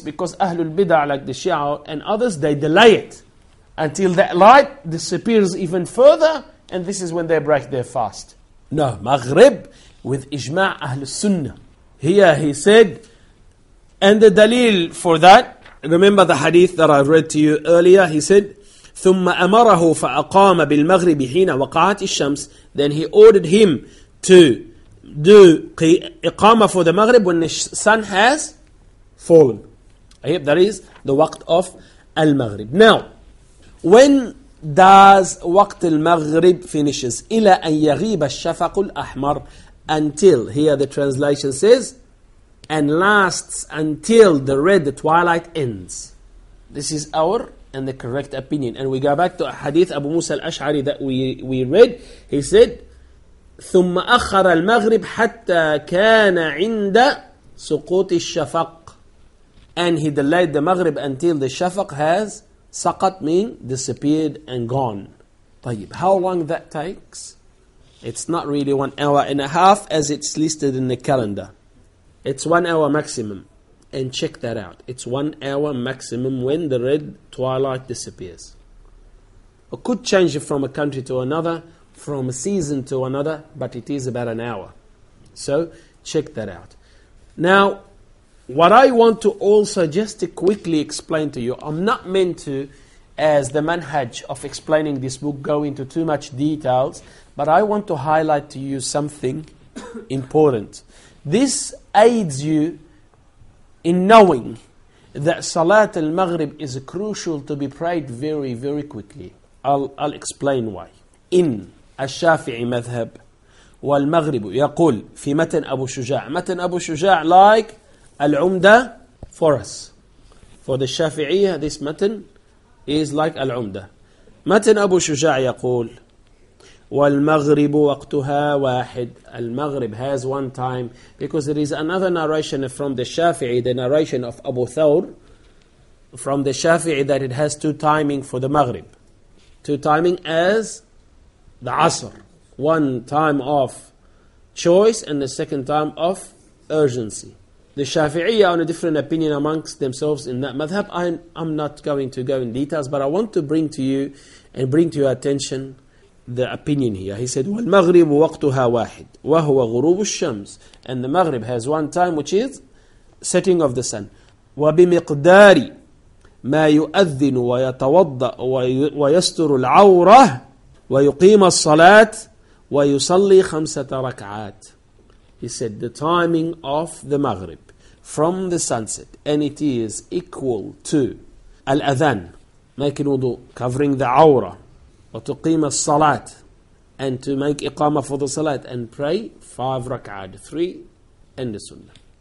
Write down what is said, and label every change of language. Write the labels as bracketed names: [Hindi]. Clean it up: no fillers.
[English] Because Ahlul Bid'ah, like the Shia and others, they delay it until that light disappears even further, and this is when they break their fast. No, Maghrib with Ijma' Ahlul Sunnah. Here he said, and the Dalil for that, remember the hadith that I read to you earlier, he said, [Arabic] ثم أمره فأقام بالمغرب حين وقعت الشمس. [English] Then he ordered him to do إقامة for the مغرب when the sun has fallen. That is the وقت of المغرب. Now, when does وقت المغرب finishes? [Arabic] إلى أن يغيب الشفق الأحمر. [English] Until, here the translation says, and lasts until the red twilight ends. This is our and the correct opinion. And we go back to a hadith Abu Musa al-Ash'ari that we read. He said, [Arabic] ثم أخر المغرب حتى كان عند سقوط الشفق. [English] And he delayed the Maghrib until the Shafaq has saqat, mean disappeared and gone. طيب, how long that takes? It's not really 1.5 hours as it's listed in the calendar. It's 1 hour maximum. And check that out. It's 1 hour maximum when the red twilight disappears. It could change from a country to another, from a season to another, but it is about 1 hour. So check that out. Now, what I want to also just to quickly explain to you, I'm not meant to, as the manhaj of explaining this book, go into too much details, but I want to highlight to you something important. This aids you in knowing that Salat al-Maghrib is crucial to be prayed very, very quickly. I'll explain why. In [Arabic] الشافعي مذهب والمغرب يقول في متن أبو شجاع. متن أبو شجاع like العمدة [English] for us. For the الشافعية, this متن is like العمدة. [Arabic] متن أبو شجاع يقول والمغرب وقتها واحد. [English] المغرب has one time, because there is another narration from the Shafi'i, the narration of Abu Thawr from the Shafi'i, that it has two timing for the Maghrib. Two timing as the Asr. One time of choice and the second time of urgency. The Shafi'i are on a different opinion amongst themselves in that madhab. I'm not going to go in details, but I want to bring to you and bring to your attention the opinion here. He said, [Arabic] والمغرب وقتها واحد وهو غروب الشمس. [English] And the Maghrib has one time, which is setting of the sun. [Arabic] وبمقدار ما يؤذن ويتوضأ ويستر العورة ويقيم الصلاة ويصلي خمسة ركعات. [English] He said, the timing of the Maghrib from the sunset, and it is equal to الأذان, making wudu, covering the awra, [Arabic] وتقيم الصلاة, [English] and to make إقامة for the salat, and pray five rak'ad, three, and the sunnah.